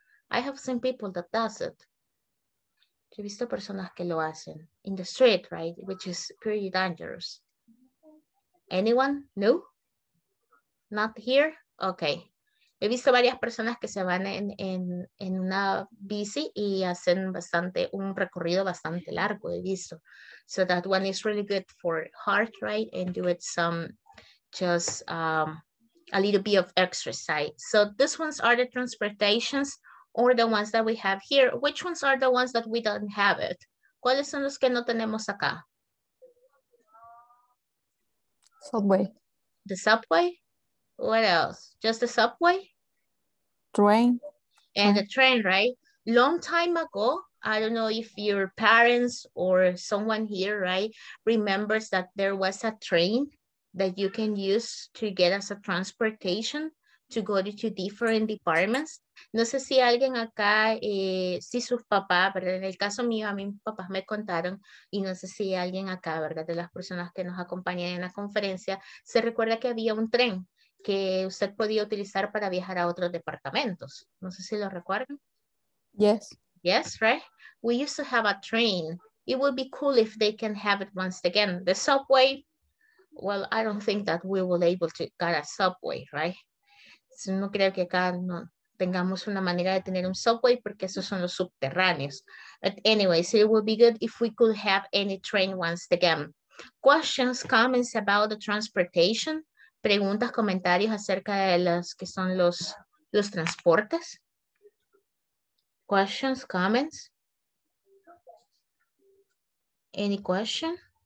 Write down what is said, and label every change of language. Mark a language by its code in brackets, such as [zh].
[en] I have seen people that does it. [es] He visto personas que lo hacen. [en] In the street, right? Which is pretty dangerous. Anyone? No? Not here? Okay. [es] He visto varias personas que se van en una bici y hacen bastante, un recorrido bastante largo, he visto. [en] So that one is really good for heart, right? And do it some, just a little bit of exercise. So these ones are the transportations or the ones that we have here. Which ones are the ones that we don't have it? [es] ¿Cuáles son los que no tenemos acá? [en] Subway. The subway? What else? Just the subway? Train. And the train, right? Long time ago, I don't know if your parents or someone here, right, remembers that there was a train that you can use to get as a transportation to go to different departments. [es] No sé si alguien acá, si sus papás, ¿verdad? En el caso mío, a mí mis papás me contaron, y no sé si alguien acá, ¿verdad? De las personas que nos acompañan en la conferencia, se recuerda que había un tren que usted podía utilizar para viajar a otros departamentos. No sé si lo recuerdan. [en] Yes. Yes, right? We used to have a train. It would be cool if they can have it once again. The subway, well, I don't think that we will able to get a subway, right? [es] So no creo que acá no tengamos una manera de tener un subway porque esos son los subterráneos. [en] But anyways, it would be good if we could have any train once again. Questions, comments about the transportation? [es] Preguntas, comentarios acerca de las que son los transportes. [en] Questions, comments. Any question?